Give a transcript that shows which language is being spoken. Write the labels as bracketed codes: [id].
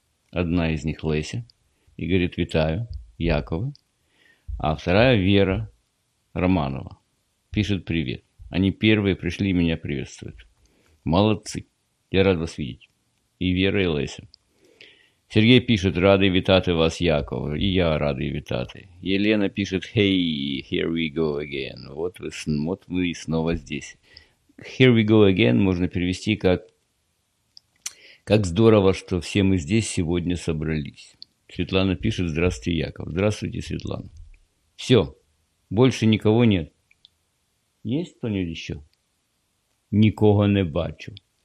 [ru] Одна из них Леся и говорит: [uk] «Витаю, Якова». [ru] А вторая — Вера Романова. Пишет: «Привет». Они первые пришли и меня приветствуют. Молодцы. Я рад вас видеть. И Вера, и Леся. Сергей пишет: «Рады [uk] витати вас, [ru] Яков». И я рады [uk] витати. [en] Елена пишет: «Hey, here we go again». [ru] Вот вы снова здесь. [en] «Here we go again» [ru] можно перевести как «здорово, что все мы здесь сегодня собрались». Светлана пишет: «Здравствуйте, Яков». Здравствуйте, Светлана. Все. Больше никого нет. Есть кто-нибудь еще? Никого не [uk] бачу.